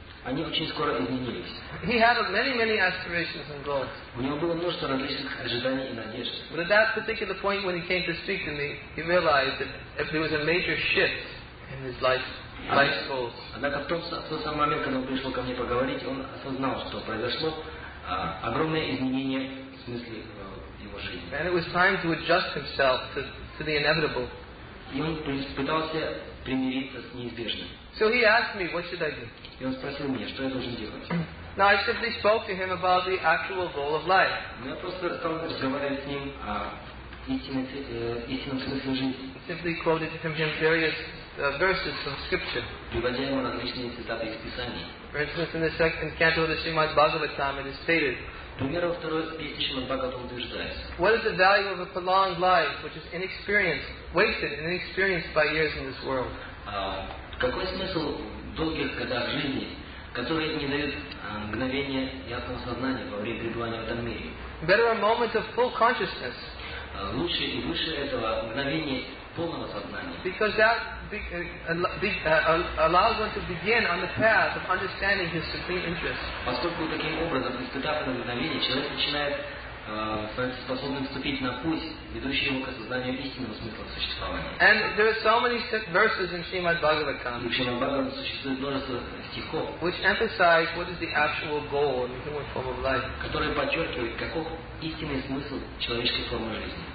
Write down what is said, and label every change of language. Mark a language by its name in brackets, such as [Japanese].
[Russian] Они очень скоро изменились. [English] He had many, many aspirations and goals. [Russian] У него было множество различных ожиданий и надежд. [English] But at that particular point when he came to speak to me, he realized that if there was a major shift in his life. [Russian] Однако в тот самый момент, когда он пришел ко мне поговорить, он осознал, что произошло огромное изменение в смысле его жизни. [English] And it was time to adjust himself to the inevitable. [Russian] И он пытался примириться с неизбежным. [English] So he asked me, what should I do? [Russian] И он спросил меня, что я должен делать. [English] Now I simply spoke to him about the actual goal of life. [Russian] Я просто стал разговаривать с ним о истинном смысле жизни. [English] Simply quoted to him various verses from scripture. [Russian] Vivagemo различные цитаты из Писаний. [English] For instance, in the second canto of the Srimad Bhagavatam, it is stated, what is the value of a prolonged life which is inexperienced, wasted and inexperienced by years in this world? [Russian] Какой смысл долгих годов жизни, которые не дают мгновения ясного сознания во время пребывания в этом мире? [English] Better a moment of full consciousness. [Russian] Лучше и выше этого мгновения полного сознания. [English] Because that allows one to begin on the path of understanding his supreme interest. [Russian] Поскольку таким образом, испытав это мгновение, человек начинает способным вступить на путь, ведущий его к осознанию истинного смысла существования. [English] And there are so many verses in Srimad Bhagavatam. [Russian] В Srimad Bhagavatam существует множество стихов, [English] which emphasize what is the actual goal in the human form of life. [Russian] Которые подчеркивают, каков истинный смысл человеческой формы жизни.